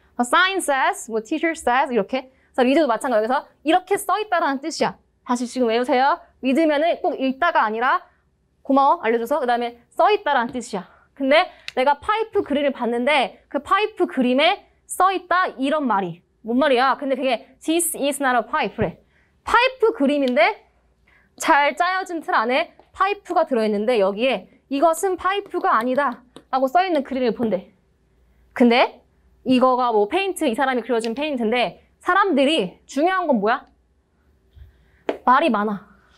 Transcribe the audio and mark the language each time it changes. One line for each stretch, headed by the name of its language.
English: sign says,
Korean: 뭐
English: teacher says
Korean: 이렇게. 그래서 read도 마찬가지. 여기서 이렇게 써 있다라는 뜻이야. 다시 지금 외우세요. 믿으면은 꼭 읽다가 아니라 고마워 알려줘서 그 다음에 써있다라는 뜻이야. 근데 내가 파이프 그림을 봤는데 그 파이프 그림에 써있다 이런 말이 뭔 말이야?
English: 근데 그게 This is not a pipe래.
Korean: 파이프 그림인데 잘 짜여진 틀 안에 파이프가 들어있는데 여기에 이것은 파이프가 아니다 라고 써있는 그림을 본대. 근데 이거가 뭐 페인트, 이 사람이 그려준 페인트인데 사람들이 중요한 건 뭐야? 말이 많아.